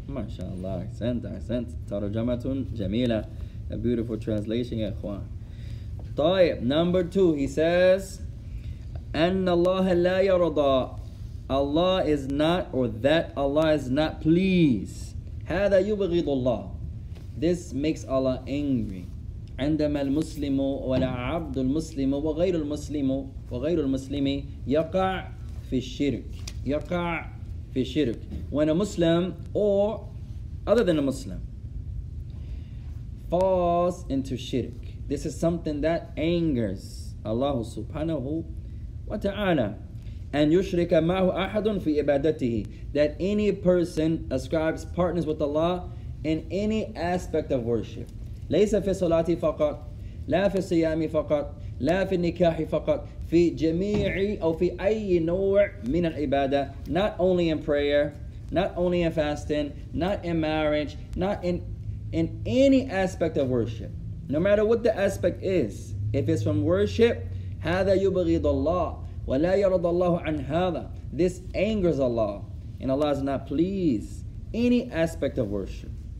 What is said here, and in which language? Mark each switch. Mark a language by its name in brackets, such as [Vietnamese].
[Arabic] ما شاء الله. I sent. ترجمة جميلة. [English] A beautiful translation, [Arabic] يا إخوان. طيب. Number two. [English] He says, [Arabic] أن الله لا يرضى. [English] Allah is not, or that Allah is not pleased. [Arabic] هذا يبغض الله. [English] This makes Allah angry. [Arabic] عندما المسلم والعبد المسلم وغير المسلم وغير المسلم يقع في الشرك. يقع في الشرك. [English] When a Muslim or other than a Muslim falls into shirk. This is something that angers Allah subhanahu wa ta'ala. [Arabic] And يشرك معه أحد في عبادته. [English] That any person ascribes partners with Allah in any aspect of worship. [Arabic] ليس في الصلاة فقط لا في الصيام فقط لا في النكاح فقط في جميع أو في أي نوع من العبادة [English] not only in prayer not only in fasting not in [Arabic] marriage not in [English] any aspect of worship no matter what the aspect is if it's from worship [Arabic] هذا يبغض الله ولا يرضى الله عن هذا [English] this angers Allah and Allah is not pleased any aspect of worship